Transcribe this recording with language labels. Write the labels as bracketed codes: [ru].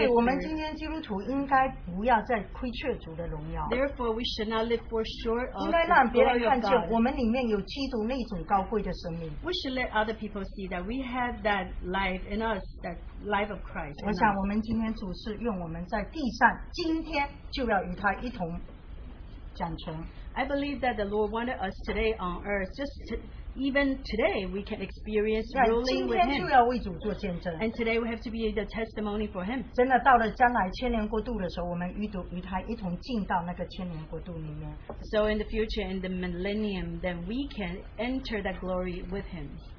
[zh] 所以我们今天基督徒应该不要再亏缺主的荣耀, [en] therefore we should not live for short of the glory of God. We should let other people see that we have that life in us, that life of Christ. [zh] 我想我们今天主是用我们在地上今天就要与他一同, [en] I believe that the Lord wanted us today on earth, just to, even today we can experience ruling with Him. And today we have to be the testimony for Him. So in the future, in the millennium, then we can enter that glory with Him.